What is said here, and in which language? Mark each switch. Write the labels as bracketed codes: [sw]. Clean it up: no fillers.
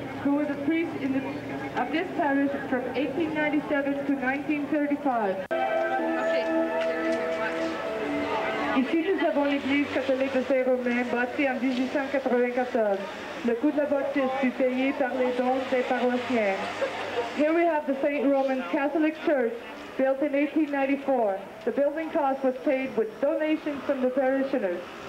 [en] who was a priest in the, of this parish from 1897 to 1935. [fr] Ici, nous avons l'église catholique de Saint-Romain, bâtie en 1894. Le coût de la bâtisse fut payé par les dons des paroissiens. [en] Here we have the St. Roman Catholic Church, built in 1894. The building cost was paid with donations from the parishioners.